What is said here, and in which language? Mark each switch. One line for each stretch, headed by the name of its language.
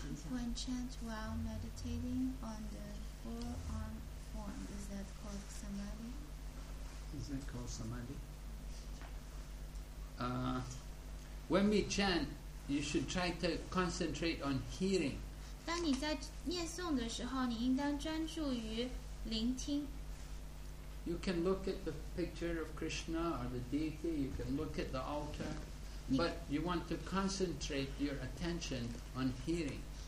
English: When chant while meditating on the forearm form, is that called samadhi? When we chant, you should try to concentrate on hearing.
Chinese: 当你在念诵的时候，你应当专注于聆听。
English: You can look at the picture of Krishna or the deity, you can look at the altar, but you want to concentrate your attention on hearing.